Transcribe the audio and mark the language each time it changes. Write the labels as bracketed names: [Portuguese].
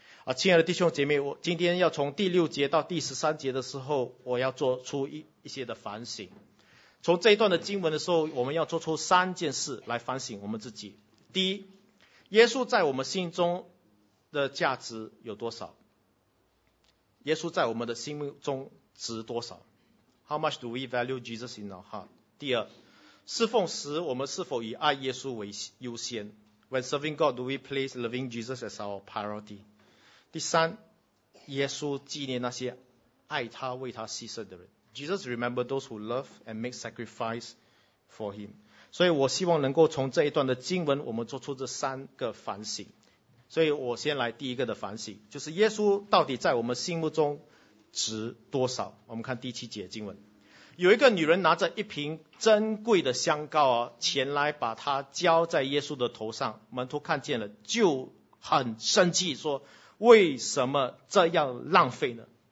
[Chinese] 啊，亲爱的弟兄姐妹，我今天要从第六节到第十三节的时候，我要做出一些的反省。从这一段的经文的时候，我们要做出三件事来反省我们自己。第一，耶稣在我们心中的价值有多少？耶稣在我们的心目中值多少？ [English] How much do we value Jesus in our heart? [Chinese] 第二，侍奉时我们是否以爱耶稣为优先？ [English] When serving God, do we place loving Jesus as our priority? [Chinese] 第三，耶稣纪念那些爱他为他牺牲的人。 [English] Jesus remembers those who love and make sacrifice for him. [Chinese] 所以我希望能够从这一段的经文我们做出这三个反省。所以我先来第一个的反省，就是耶稣到底在我们心目中值多少。我们看第七节经文，有一个女人拿着一瓶珍贵的香膏啊，前来把它浇在耶稣的头上，门徒看见了就很生气，说为什么这样浪费呢？